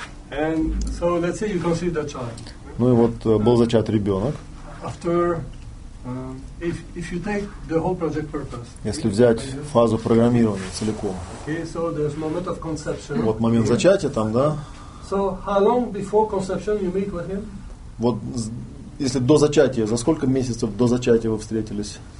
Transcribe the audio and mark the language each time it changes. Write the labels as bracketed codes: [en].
[en] And so let's say you conceived a child. [ru] Ну и вот был зачат ребенок. [en] After if you take the whole project purpose. [ru] Если взять фазу программирования целиком. [en] Okay, so there's moment of conception. [ru] Вот момент зачатия там, да? [en] So how long before conception you meet with him? [ru] Вот если до зачатия, за сколько месяцев до зачатия вы встретились?